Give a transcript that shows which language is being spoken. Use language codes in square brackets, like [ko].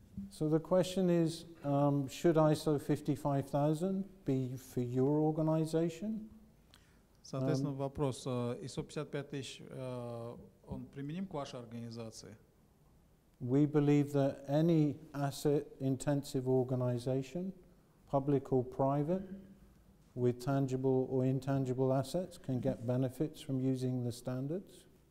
[en] So the question is, should ISO 55000 be for your organization? [ru] Соответственно, вопрос, ISO 55000, он применим к вашей организации? [en] We believe that any asset-intensive organization, public or private, with tangible or intangible assets, can get benefits from using the standards.